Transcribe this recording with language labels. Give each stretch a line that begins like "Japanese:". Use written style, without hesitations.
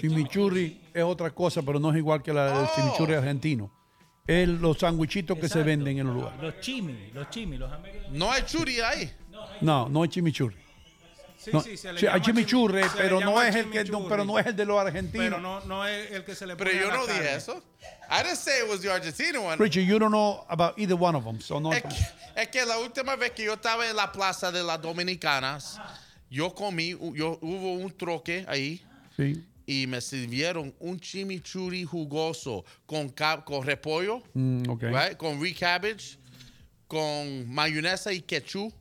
Spanish: Chimichurri es otra cosa, pero no es igual que el chimichurri argentino. Es los sándwichitos que se venden en el lugar. Los chimis. No hay churri ahí. No hay chimichurri. Sí, hay chimichurri, pero no es el de los argentinos. Pero no es el que se le pone. Pero yo a la no carne. Dije eso.
English: I didn't say it was the Argentina one. Richie, you don't know about either one of them, so no.
Spanish: Es que la última vez que yo estaba en la plaza de las Dominicanas, hubo un troque ahí. Sí. Y me sirvieron un chimichurri jugoso con repollo,
English: okay,
Spanish: con
English: red cabbage,
Spanish: con mayonesa y ketchup.